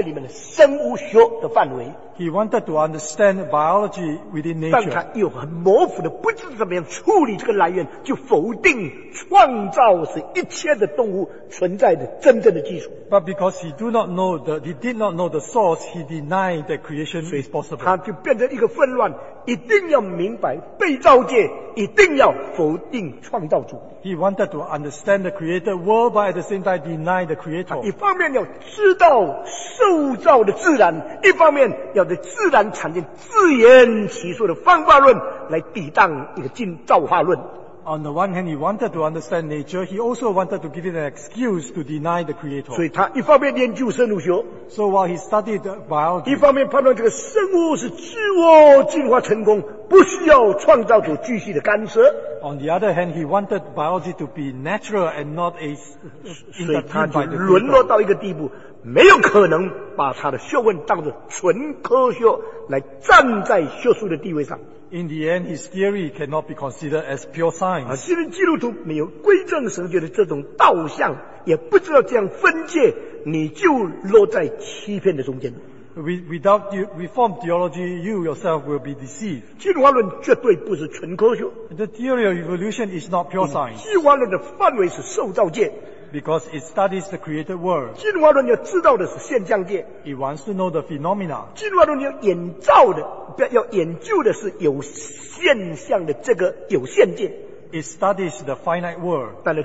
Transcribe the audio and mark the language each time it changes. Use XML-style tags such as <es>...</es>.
<zh>因为他试探钻研到自然界里面的生物学的范围。</zh> <en>He wanted to understand biology within nature.</en> <zh>但他又很模糊的不知怎么样处理这个来源，就否定创造是一切的动物存在的真正的基础。</zh> <en>But because he did not know the source, he denied that creation is possible.</en> <zh>他就变成一个混乱，一定要明白被造界，一定要否定创造主。</zh> <en>He wanted to understand the created world, but at the same time deny the creator.</en> <zh>一方面要知道受造的自然，一方面要在自然产生自圆其说的方法论来抵挡一个造化论。</zh> <en>On the one hand, he wanted to understand nature. He also wanted to give it an excuse to deny the creator.</en> <zh>所以他一方面研究生物学,</zh> <en>so while he studied biology,</en> <zh>一方面判断这个生物是自我进化成功, 不需要创造主继续的干涉。</zh> <en>On the other hand, he wanted biology to be natural and not a intervened by the people.</en> <zh>没有可能把他的学问当作纯科学来站在学术的地位上。</zh> <en>In the end, his theory cannot be considered as pure science.</en> <zh>现在基督徒没有归正神学的这种导向, 也不知道这样分界, 你就落在欺骗的中间。</zh> <en>Without Reformed theology, you yourself will be deceived.</en> <zh>进化论绝对不是纯科学。</zh> <en>The theory of evolution is not pure science.</en> <zh>进化论的范围是受造界。</zh> <en>Because it studies the created world.</en> <zh>进化论要知道的是现象界。</zh> <en>It wants to know the phenomena.</en> <zh>进化论要研究的是有现象的这个有限界。</zh> <en>It studies the finite world.</en>